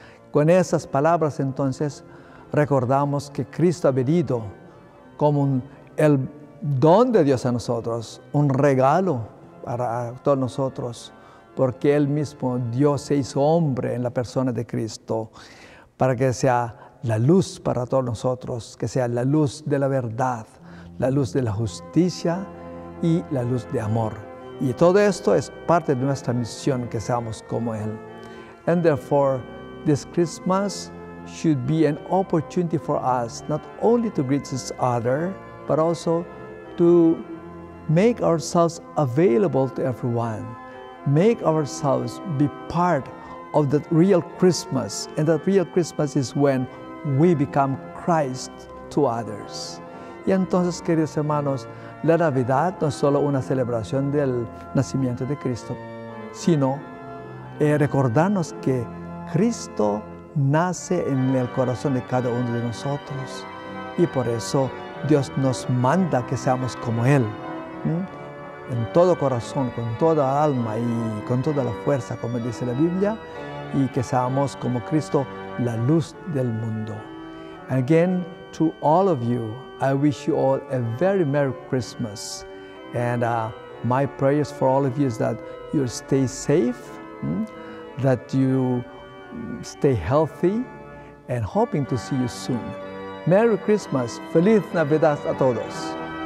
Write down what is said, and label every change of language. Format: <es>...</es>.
<es>Con esas palabras, entonces, recordamos que Cristo ha venido como el don de Dios a nosotros, un regalo para todos nosotros, porque Él mismo, Dios, se hizo hombre en la persona de Cristo para que sea la luz para todos nosotros, que sea la luz de la verdad, la luz de la justicia y la luz de amor. Y todo esto es parte de nuestra misión, que seamos como Él.</es> <en>And therefore, this Christmas should be an opportunity for us not only to greet each other, but also to make ourselves available to everyone, make ourselves be part of that real Christmas. And that real Christmas is when we become Christ to others.</en> <es>Y entonces, queridos hermanos, la Navidad no es solo una celebración del nacimiento de Cristo, sino recordarnos que Cristo nace en el corazón de cada uno de nosotros, y por eso Dios nos manda que seamos como Él, en todo corazón, con toda alma y con toda la fuerza, como dice la Biblia, y que seamos como Cristo, la luz del mundo.</es> <en>Again, to all of you, I wish you all a very Merry Christmas, and my prayers for all of you is that you stay safe, that you stay healthy, and hoping to see you soon. Merry Christmas.</en> <es>Feliz Navidad a todos.</es>